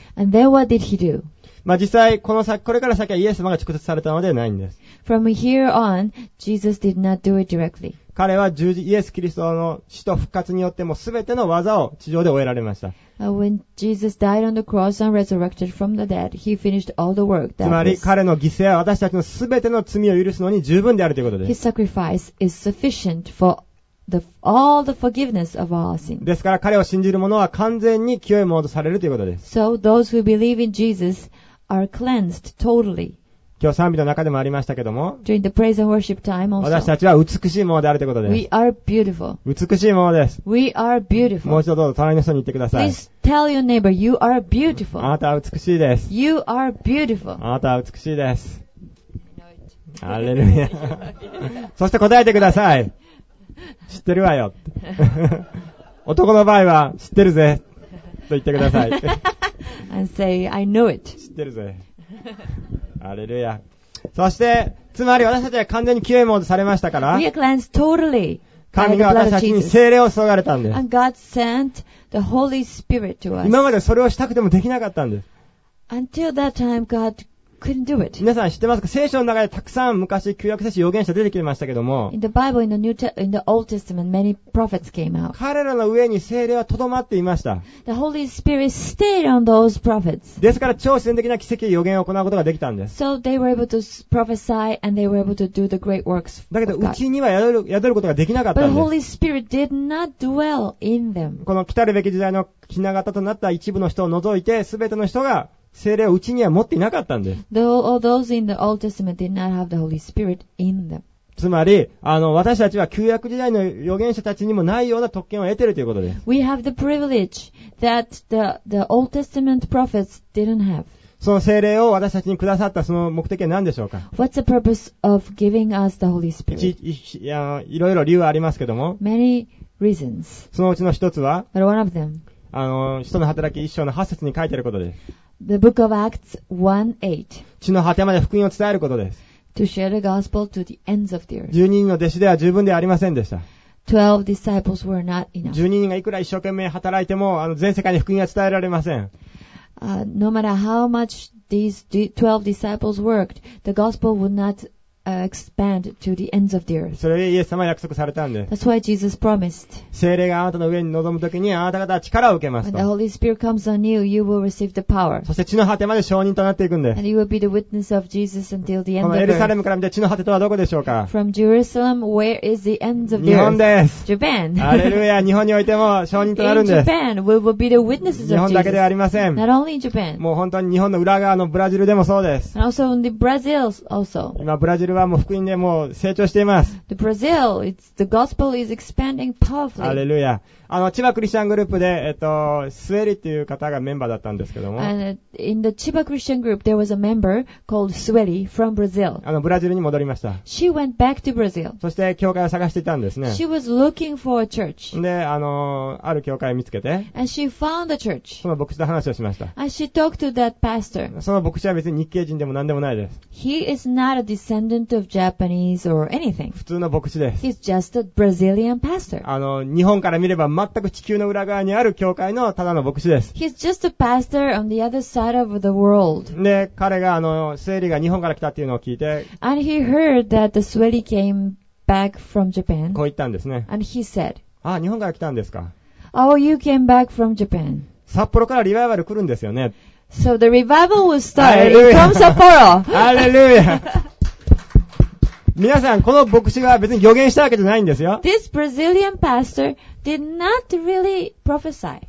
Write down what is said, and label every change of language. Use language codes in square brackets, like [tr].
[en] And then what did he do? [ja] まあ実際この先これから先はイエス様が直接されたのではないんです。 [en] From here on, Jesus did not do it directly. [ja] 彼は十字、イエス・キリストの死と復活によってもすべての技を地上で終えられました。 [en] When Jesus died on the cross and resurrected from the dead, he finished all the work that was. [ja] つまり彼の犠牲は私たちのすべての罪を許すのに十分であるということです。 [en] His sacrifice is sufficient for all the forgiveness of our sins. [ja] ですから彼を信じる者は完全に清いものとされるということです。 [en] So those who believe in Jesus are cleansed totally. [ja] 今日賛美の中でもありましたけども、 [en] During the praise and worship time also, [ja] 私たちは美しいものであるということです。 [en] We are beautiful. [ja] 美しいものです。 [en] We are beautiful. [ja] もう一度どうぞ隣の人に言ってください。 [en] Please tell your neighbor, you are beautiful. [ja] あなたは美しいです。 [en] You are beautiful. [ja] あなたは美しいです。アレルヤ。そして答えてください。知ってるわよ。男の場合は知ってるぜ。と言ってください。 [en] And say, I know it. [ja] 知ってるぜ。アレルヤ。そして、つまり私たちは完全に清いものとされましたから、 [en] We are cleansed totally、 [ja] 神が私たちに聖霊を注がれたんです。 [en] And God sent the Holy Spirit to us. [ja] 今までそれをしたくてもできなかったんです。 [en] Until that time, God couldn't do it. [ja] 皆さん知ってますか？聖書の中でたくさん昔、旧約聖書預言者出てきましたけども、 [en] In the Bible, in the Old Testament, many prophets came out. [ja] 彼らの上に聖霊は留まっていました。 [en] The Holy Spirit stayed on those prophets. [ja] ですから超自然的な奇跡や預言を行うことができたんです。 [en] So they were able to prophesy and they were able to do the great works of God. [ja] だけど、うちには宿ることができなかったんです。 [en] But the Holy Spirit did not dwell in them. [ja] この来たるべき時代の雛形となった一部の人を除いて、すべての人が、聖霊をうちには持っていなかったんです。 [en] Those in the Old Testament did not have the Holy Spirit in them. [ja] つまり、私たちは旧約時代の預言者たちにもないような特権を得ているということです。 [en] We have the privilege that the Old Testament prophets didn't have. [ja] その聖霊を私たちにくださったその目的は何でしょうか？ [en] What's the purpose of giving us the Holy Spirit? [ja] いろいろ理由はありますけども。 [en] Many reasons. [ja] そのうちの一つは、 [en] But one of them. [ja] 使徒の働き一章の8節に書いてあることです。 [en] The book of Acts 1:8. [ja] 地の果てまで福音を伝えることです。 [en] To share the gospel to the ends of the earth. [ja] 12人の弟子では十分ではありませんでした。 [en] 12 disciples were not enough. [ja] 12人がいくら一生懸命働いても、全世界に福音は伝えられません。 [en] no matter how much these 12 disciples worked, the gospel would not expand to the ends of the earth. [ja] それでイエス様は約束されたんです。 [en] That's why Jesus promised. [ja] 聖霊があなたの上に臨むときにあなた方は力を受けますと。 [en] When the Holy Spirit comes on you, you will receive the power. [ja] そして地の果てまで証人となっていくんです。 [en] And you will be the witness of Jesus until the end of earth. [ja] このエルサレムから見て地の果てとはどこでしょうか。 [en] From Jerusalem, where is the ends of the earth? [ja] 日本です。 [en] Japan. [ja] ハレルヤ、日本においても証人となるんです。 [en] In Japan, we will be the witnesses of Jesus. [ja] 日本だけではありません。 [en] Not only in Japan. [ja] もう本当に日本の裏側のブラジルでもそうです。 [en] And also in the Brazil also. [ja] 今ブラジルはもう福音でもう成長しています。 [en] The Brazil, the gospel is expanding powerfully. [ja] ハレルヤ。あの千葉クリスチャングループでスウェリっていう方がメンバーだったんですけども。 [en] In the Chiba Christian group, there was a member called Sueli from Brazil. [ja] あのブラジルに戻りました。 [en] She went back to Brazil. [ja] そして教会を探していたんですね。 [en] She was looking for a church. [ja] で、ある教会を見つけて。 [en] And she found a church. [ja] その牧師と話をしました。 [en] And she talked to that pastor. [ja] その牧師は別に日系人でも何でもないです。 [en] He is not a descendant of Japanese or anything. [ja] 普通の牧師です。 [en] He's just a Brazilian pastor. [ja] 日本から見れば全く地球の裏側にある教会のただの牧師です。 [en] He's just a pastor on the other side of the world. [ja] で、彼がスウェリが日本から来たっていうのを聞いて、 [en] And he heard that the Sueli came back from Japan. [ja] こう言ったんですね。 [en] And he said, [ja] あ、日本から来たんですか。 [en] Oh, you came back from Japan. [ja] 札幌からリバイバル来るんですよね。 [en] So the revival will start from Sapporo. Hallelujah. [ja] 皆さん、この牧師が別に予言したわけじゃないんですよ。 [en] This Brazilian pastor did not really prophesy.